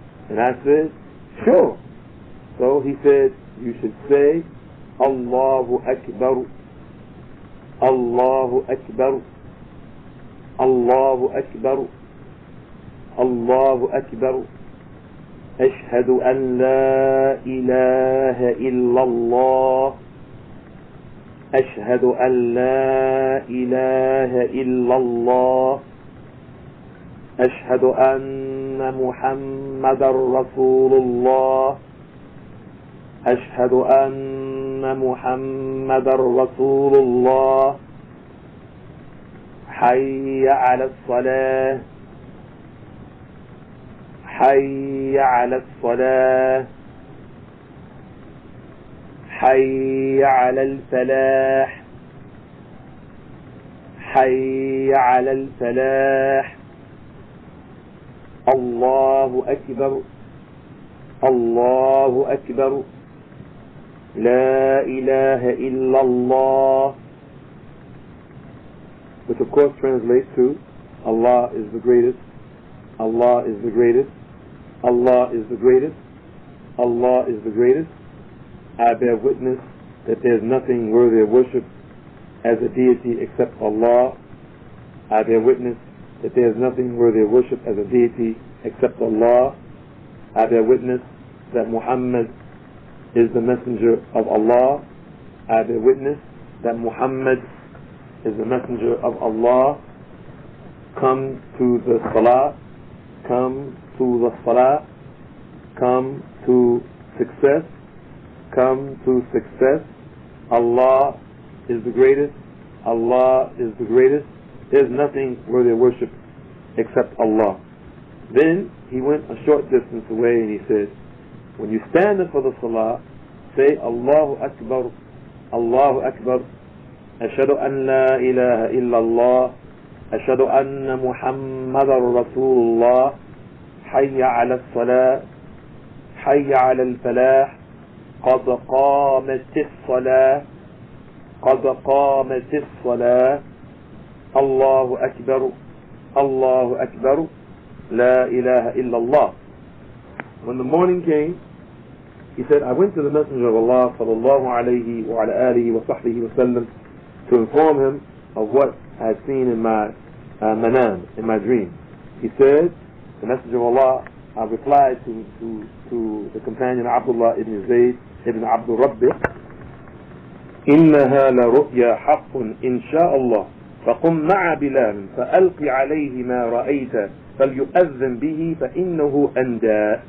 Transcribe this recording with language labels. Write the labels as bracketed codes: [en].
[en] And I said, sure. So he said, you should say, Allahu Akbar, Allahu Akbar, Allahu Akbar, Allahu Akbar, [ar] أشهد أن لا إله إلا الله، أشهد أن لا إله إلا الله، أشهد أن محمد رسول الله، أشهد أن محمد رسول الله. حي على الصلاة، حي على الصلاة، حي على الفلاح، حي على الفلاح. الله أكبر، الله أكبر، لا إله إلا الله. [en] Which of course translates to Allah is the greatest, Allah is the greatest, Allah is the greatest, Allah is the greatest. I bear witness that there is nothing worthy of worship as a deity except Allah. I bear witness that there is nothing worthy of worship as a deity except Allah. I bear witness that Muhammad is the messenger of Allah. I bear witness that Muhammad is the messenger of Allah. Come to the salah, come to the salah, come to success, come to success. Allah is the greatest, Allah is the greatest. There's nothing worthy of worship except Allah. Then he went a short distance away and he said, when you stand up for the salah, say Allahu Akbar, Allahu Akbar. [ar] أشهد أن لا إله إلا الله، أشهد أن محمد رسول الله. حي على الصلاة، حي على الفلاح. قد قامت الصلاة، قد قامت الصلاة. الله أكبر، الله أكبر، لا إله إلا الله. [en] When the morning came, he said, I went to the Messenger of Allah [ar] صلى الله عليه وعلى آله وصحبه وسلم [en] to inform him of what I had seen in my manam, in my dream. He said, the Messenger of Allah, I replied to the companion Abdullah ibn Zayd ibn Abdul Rabbih, [ar] إِنَّهَا لَرُؤْيَا حَقٌّ إِنْ شَاءَ اللَّهِ فَقُمْ مَعَ بِلَامٍ فَأَلْقِ عَلَيْهِ مَا رَأَيْتَ فَلْيُؤَذَّنْ بِهِ فَإِنَّهُ أَنْدَى.